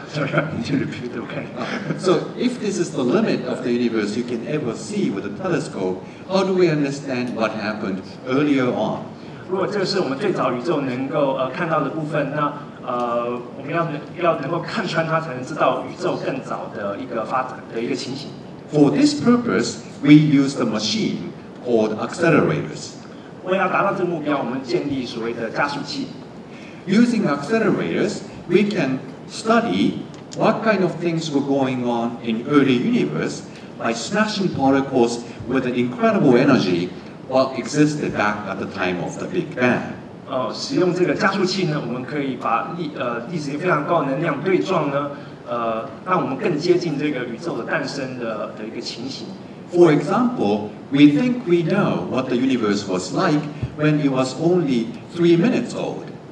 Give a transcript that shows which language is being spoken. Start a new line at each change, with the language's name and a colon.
English: So if this is the limit of the universe you can ever see with a telescope, how do we understand what happened earlier on?
Chinese: 如果这是我们最早宇宙能够看到的部分，那我们要能够看穿它，才能知道宇宙更早的一个发展的一个情形。
English: For this purpose, we use the machine called accelerators.
Chinese: 为了达到这个目标，我们建立所谓的加速器。
English: Using accelerators, we can study what kind of things were going on in early universe by smashing particles with an incredible energy that existed back at the time of the Big Bang.
Chinese: 使用这个加速器呢，我们可以把粒子非常高的能量对撞呢，让我们更接近这个宇宙的诞生的一个情形。
English: For example, we think we know what the universe was like when it was only 3 minutes old.